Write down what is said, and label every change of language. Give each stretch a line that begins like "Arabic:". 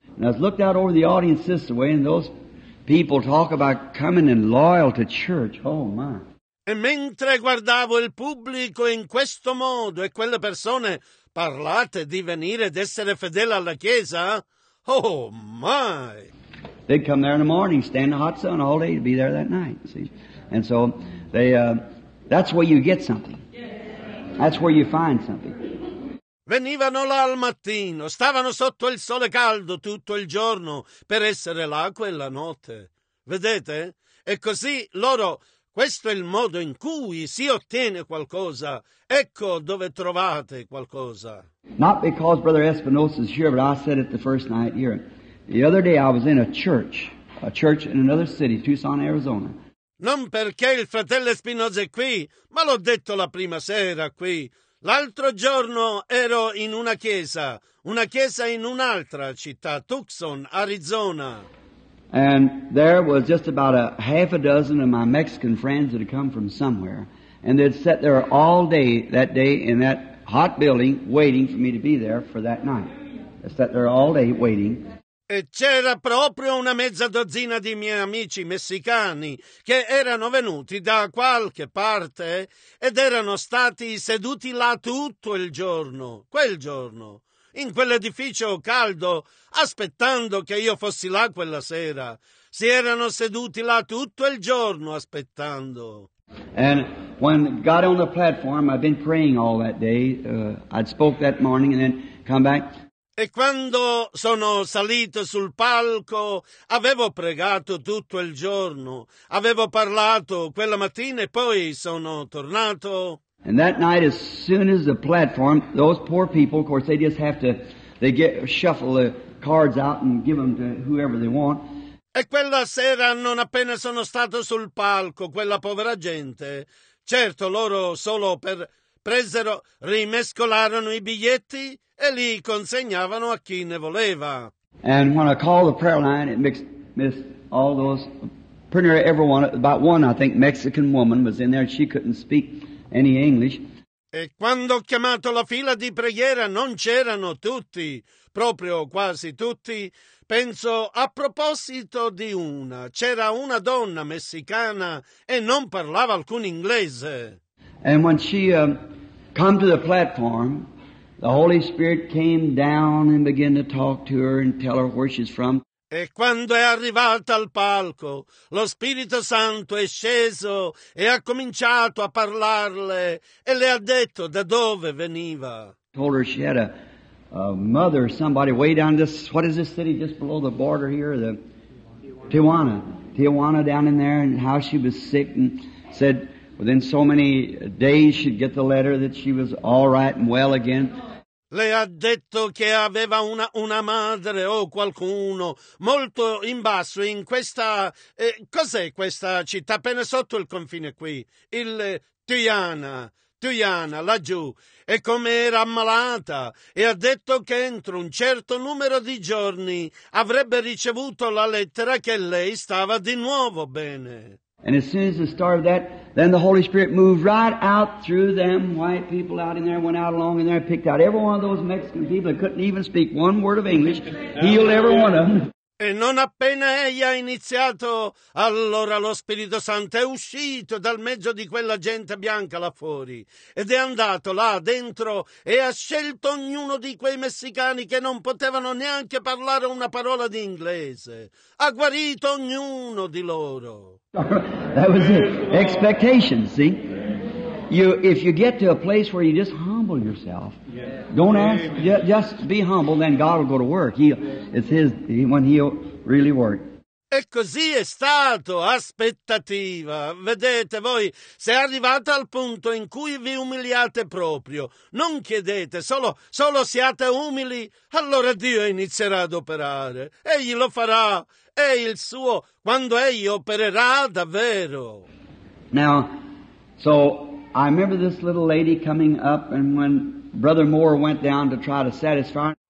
English: And I looked out over the audience this way, and those people talk about coming in loyal to church. Oh, my.
Italian: E mentre guardavo il pubblico in questo modo e quelle persone parlate di venire ed essere fedele alla Chiesa,
English: oh my! They'd come there in the morning, stand in the hot sun all day to be there that night, see? And so, that's where you get something. That's where you find something.
Italian: Venivano là al mattino, stavano sotto il sole caldo tutto il giorno per essere là quella notte. Vedete? E così loro... Questo è il modo in cui si ottiene qualcosa. Ecco dove trovate qualcosa.
English: Not because Brother Espinosa is here, but I said it the first night here. The other day I was in a church in another city, Tucson, Arizona.
Italian: Non perché il fratello Espinosa è qui, ma l'ho detto la prima sera qui. L'altro giorno ero in una chiesa in un'altra città, Tucson, Arizona.
English: And there was just about a half a dozen of my Mexican friends that had come from somewhere. And they'd sat there all day that day in that hot building waiting for me to be there for that night. They sat there all day waiting.
Italian: E c'era proprio una mezza dozzina di miei amici messicani che erano venuti da qualche parte ed erano stati seduti là tutto il giorno, quel giorno. In quell'edificio caldo, aspettando che io fossi là quella sera. Si erano seduti là tutto il giorno aspettando.
English: And when got on the platform, I'd been praying all that day. I'd spoke that morning and then come back.
Italian: E quando sono salito sul palco, avevo pregato tutto il giorno. Avevo parlato quella mattina e poi sono tornato.
English: And that night, as soon as the platform, those poor people, of course, they just have to, they get shuffle the cards out and give them to whoever they want.
Italian: E quella sera, non appena sono stato sul palco, quella povera gente, certo, loro solo per presero, rimescolarono i biglietti e li consegnavano a chi ne voleva.
English: And when I called the prayer line, it missed all those, pretty near everyone, about one, I think, Mexican woman was in there, and she couldn't speak any English.
Italian: E quando ho chiamato la fila di preghiera non c'erano tutti, proprio quasi tutti. Penso a proposito di una, c'era una donna messicana e non parlava alcun inglese.
English: And when she come to the platform, the Holy Spirit came down and began to talk to her and tell her where she's from.
Italian: E quando è arrivata al palco, lo Spirito Santo è sceso e ha cominciato a parlarle e le ha detto da dove veniva.
English: Told her she had a mother, somebody way down this, what is this city just below the border here? The Tijuana. Tijuana down in there, and how she was sick, and said within so many days she'd get the letter that she was all right and well again.
Italian: Le ha detto che aveva una madre o qualcuno molto in basso in questa... cos'è questa città? Appena sotto il confine qui. Il Tijuana, laggiù. E come era ammalata. E ha detto che entro un certo numero di giorni avrebbe ricevuto la lettera che lei stava di nuovo bene.
English: And as soon as it started that, then the Holy Spirit moved right out through them white people out in there, went out along in there, picked out every one of those Mexican people that couldn't even speak one word of English, healed every one of them.
Italian: E non appena egli ha iniziato, allora lo Spirito Santo è uscito dal mezzo di quella gente bianca là fuori ed è andato là dentro e ha scelto ognuno di quei messicani che non potevano neanche parlare una parola di inglese. Ha guarito ognuno di loro.
English: That was it. Expectations, see? If you get to a place where you just humble yourself, don't ask, just be humble, then God will go to work. When He'll really work.
Italian: E così è stato, aspettativa. Vedete voi, se arrivate al punto in cui vi umiliate proprio, non chiedete, solo siate umili, allora Dio inizierà ad operare. Egli lo farà, è il suo, quando Egli opererà davvero.
English: Now, so I remember this little lady coming up, and when Brother Moore went down to try to satisfy her.